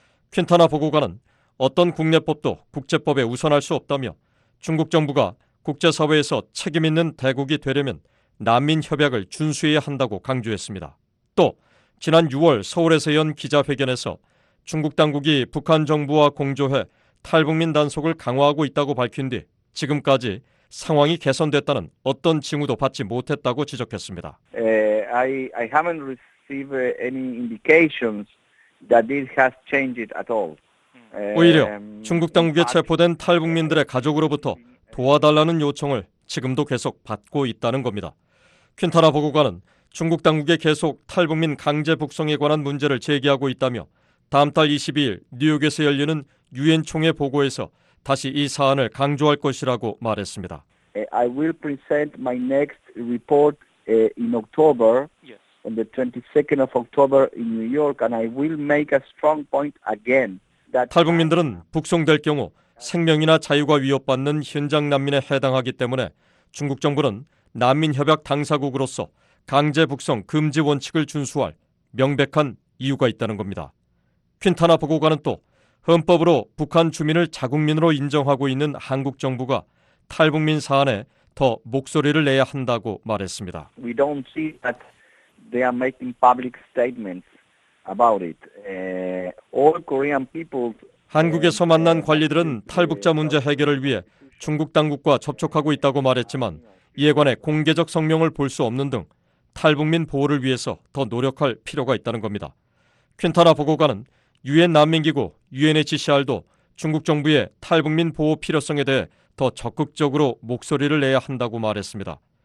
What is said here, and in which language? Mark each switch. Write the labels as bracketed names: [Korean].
[Korean] 퀸타나 보고관은 어떤 국내법도 국제법에 우선할 수 없다며 중국 정부가 국제사회에서 책임 있는 대국이 되려면 난민협약을 준수해야 한다고 강조했습니다. 또 지난 6월 서울에서 연 기자회견에서 중국 당국이 북한 정부와 공조해 탈북민 단속을 강화하고 있다고 밝힌 뒤 지금까지 상황이 개선됐다는 어떤 징후도 받지 못했다고 지적했습니다. [English] I haven't receive any indications that it has changed at all. [Korean] 오히려 중국 당국에 체포된 탈북민들의 가족으로부터 도와달라는 요청을 지금도 계속 받고 있다는 겁니다. 퀸타나 보고관은 중국 당국의 계속 탈북민 강제 북송에 관한 문제를 제기하고 있다며 다음 달 22일 뉴욕에서 열리는 유엔 총회 보고에서 다시 이 사안을 강조할 것이라고 말했습니다. [English] I will present my next report in October, on the 22nd of October in New York, and I will make a strong point again. [Korean] 탈북민들은 북송될 경우 생명이나 자유가 위협받는 현장 난민에 해당하기 때문에 중국 정부는 난민협약 당사국으로서 강제 북송 금지 원칙을 준수할 명백한 이유가 있다는 겁니다. 퀸타나 보고관은 또 헌법으로 북한 주민을 자국민으로 인정하고 있는 한국 정부가 탈북민 사안에 더 목소리를 내야 한다고 말했습니다. [English] We don't see that they are making public statements. About it. All Korean people. [Korean] 한국에서 만난 관리들은 탈북자 문제 해결을 위해 중국 당국과 접촉하고 있다고 말했지만 이에 관해 공개적 성명을 볼 수 없는 등 탈북민 보호를 위해서 더 노력할 필요가 있다는 겁니다. 퀸타나 보고관은 유엔 난민기구 UNHCR도 중국 정부의 탈북민 보호 필요성에 대해 더 적극적으로 목소리를 내야 한다고 말했습니다.